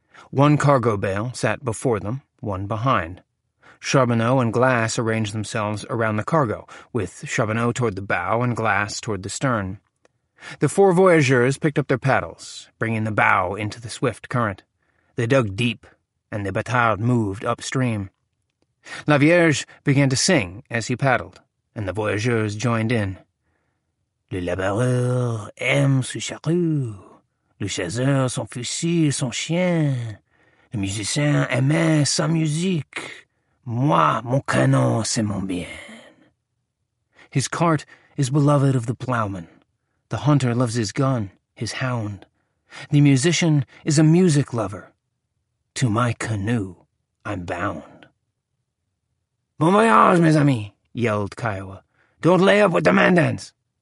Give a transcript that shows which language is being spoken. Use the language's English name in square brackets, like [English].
[English] 1 cargo bale sat before them, 1 behind. Charbonneau and Glass arranged themselves around the cargo, with Charbonneau toward the bow and Glass toward the stern. The 4 voyageurs picked up their paddles, bringing the bow into the swift current. They dug deep, and the Bataille moved upstream. Lavierge began to sing as he paddled, and the voyageurs joined in. [French] "Le laboureur aime son charrue, le chasseur son fusil, son chien, le musicien aimait sa musique, moi, mon canon, c'est mon bien." [English] His cart is beloved of the plowman. The hunter loves his gun, his hound. The musician is a music lover. To my canoe, I'm bound. [French] Bon voyage, mes amis, [English] yelled Kiowa. Don't lay up with the Mandans.